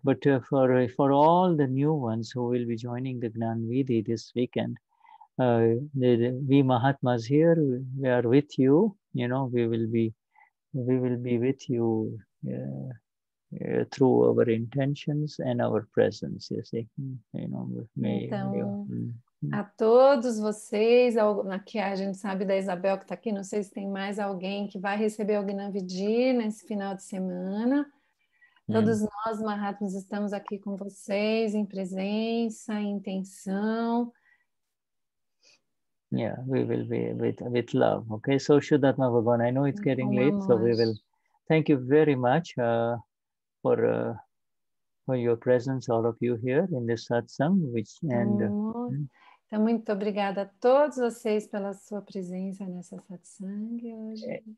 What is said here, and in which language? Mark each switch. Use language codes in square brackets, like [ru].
[en] But for all the new ones who will be joining the Gnan Vidhi this weekend, we Mahatmas here, we are with you. You know, we will be with you through our intentions and our presence, you see. You know, [pt] a todos vocês, aqui a gente sabe da Isabel que está aqui, não sei se tem mais alguém que vai receber o Gnan Vidhi nesse final de semana. Todos nós, Mahatmas, estamos aqui com vocês em presença, em intenção. [en] Yeah, we will be with love. Okay, so Shudatma Bhagwan, I know it's getting late, so we will thank you very much for your presence, all of you here in this satsang, which and [pt] Então, muito obrigada a todos vocês pela sua presença nessa satsang hoje.